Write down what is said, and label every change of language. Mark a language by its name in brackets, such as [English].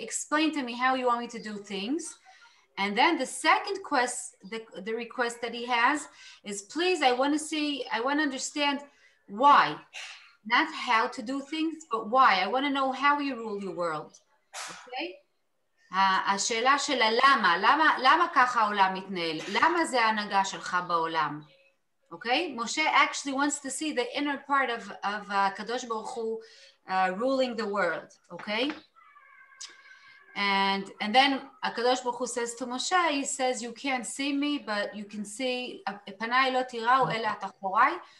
[English] Explain to me how you want me to do things. And then the second quest, the request that he has is, please, I want to understand why. Not how to do things, but why. I want to know how you rule your world, okay? [Hebrew] השאלה של הלמה, למה ככה העולם מתנהל? למה זה ההנהגה שלך בעולם? [English] Okay, Moshe actually wants to see the inner part of Kadosh Baruch Hu ruling the world. Okay, and then Kadosh Baruch Hu says to Moshe, he says, "You can't see me, but you can see [Hebrew] Panai lo tirau ela atachorai."